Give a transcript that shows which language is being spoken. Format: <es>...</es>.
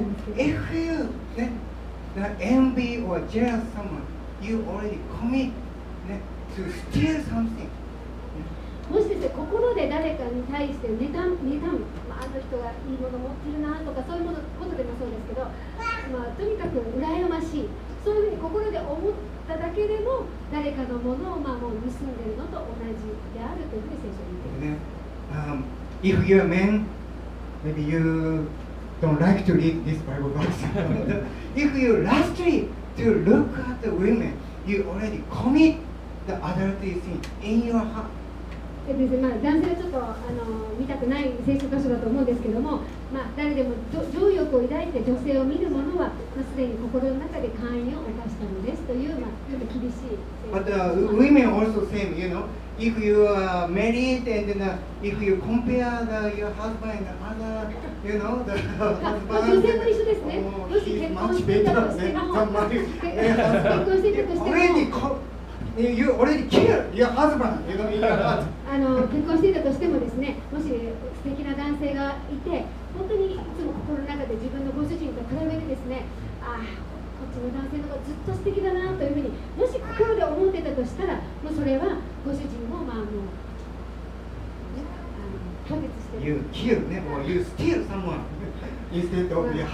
<en>If you envy or jealous someone, you already commit to steal something.</en> <ja>もしですね、心で誰かに対して妬む、まあ、あの人がいいもの持ってるなとか、そういうものことでもそうですけど、まあ、とにかく羨ましい、そういうふうに心で思っただけでも誰かのものを、まあ、もう盗んでるのと同じであるというふうに聖書に言っています。</ja> <en>If you're a man, maybe you don't like to read this Bible verse. If you lustily to look at the women, you already commit the adultery sin in your heart.</en> <ja>まあ、男性はちょっと見たくない聖書箇所だと思うんですけども、まあ、誰でも情欲を抱いて女性を見る者は、まあ、すでに心の中で姦淫を犯したのですという、まあ、ちょっと厳しい。</ja> <en>But women also same, you know, if you are married and then, if you compare the, your husband and other, you know, the husband.</en> <ja>女性も一緒ですね。もし結婚してたとしても、</ja> <en>already you already killed your husband, you know, in your heart.</en> <ja>結婚していたとしてもですね、もし素敵な男性がいて、本当にいつも心の中で自分のご主人と比べてですね、ああ、こっちの男性の方がずっと素敵だなというふうに、もし心で思っていたとしたら、もうそれはご主人を、まあ、もう、拒絶してる。</ja> <en>You kill, ね、or you steal someone instead of your husband.</en>